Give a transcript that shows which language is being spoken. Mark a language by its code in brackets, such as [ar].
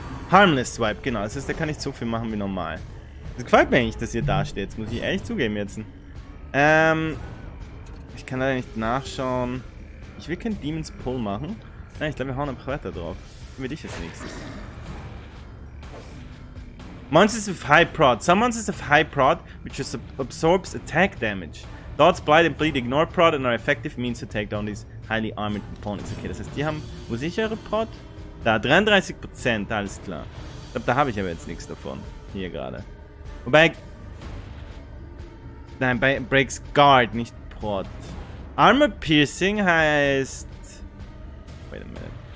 [de] Harmless Swipe, genau. Das heißt, da kann ich so viel machen wie normal. Es gefällt mir eigentlich, dass ihr da steht. Das muss ich ehrlich zugeben jetzt. Ich kann leider nicht nachschauen. Ich will kein Demon's Pull machen. Nein, ich glaube, wir hauen einfach weiter drauf. Für dich als nächstes. [en] Monsters of High Prod. Some monsters of High Prod, which absorbs attack damage. Dots, Blight and Bleed ignore Prod and are effective means to take down these highly armored opponents. [de] Okay, das heißt, die haben, wo sehe ich eure Prod? Da, 33%, alles klar. Ich glaube, da habe ich aber jetzt nichts davon. Hier gerade. Wobei, nein, bei Breaks Guard, nicht Prod. Armor Piercing heißt, [en] wait a minute.